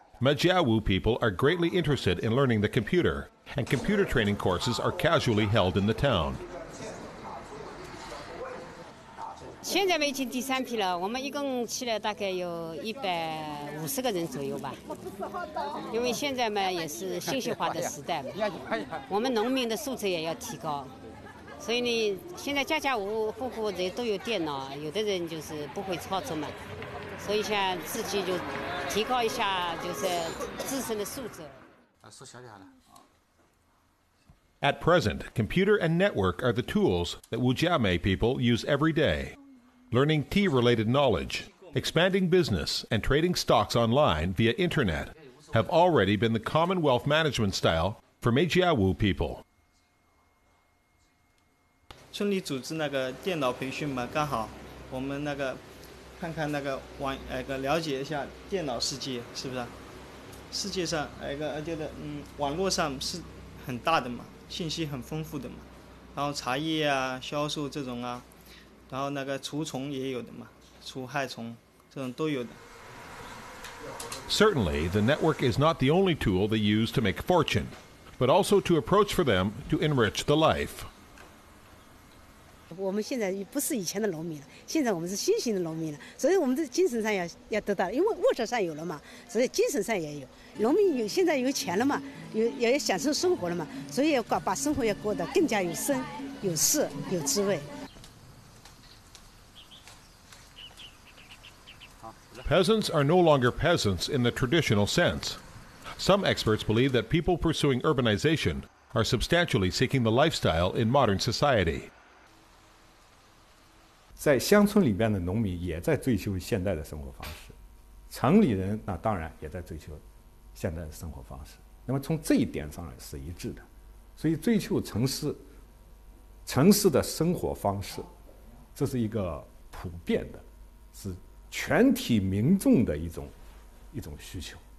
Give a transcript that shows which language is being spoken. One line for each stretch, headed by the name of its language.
English: Majiawu people are greatly interested in learning the computer, and computer training courses are casually held in the town.
Chinese: 现在已经第三批了，我们一共去了大概有150个人左右吧。因为现在嘛也是信息化的时代，我们农民的素质也要提高。所以呢，现在家家户户人都有电脑，有的人就是不会操作嘛。所以现在自己就提高一下就是自身的素质。说小点了。
English: At present, computer and network are the tools that Wujiamei people use every day. Learning tea-related knowledge, expanding business, and trading stocks online via internet have already been the common wealth management style for Majiawu people.
Chinese: 村里组织那个电脑培训嘛，刚好我们那个看看那个网，了解一下电脑世界是不是？世界上网络上是很大的嘛，信息很丰富的嘛，然后茶叶啊、销售这种啊，然后那个除虫也有的嘛，除害虫这种都有的。
English: Certainly, the network is not the only tool they use to make fortune, but also to approach for them to enrich the life.
Chinese: 我们现在不是以前的农民了，现在我们是新型的农民了，所以我们的精神上要得到，因为物质上有了嘛，所以精神上也有。农民有现在有钱了嘛，也要享受生活了嘛，所以要把生活要过得更加有声、有色、有滋味。
English: Peasants are no longer peasants in the traditional sense. Some experts believe that people pursuing urbanization are substantially seeking the lifestyle in modern society.
Chinese: 在乡村里边的农民也在追求现代的生活方式，城里人那当然也在追求现代的生活方式，那么从这一点上来是一致的，所以追求城市的生活方式，这是一个普遍的，是全体民众的一种需求。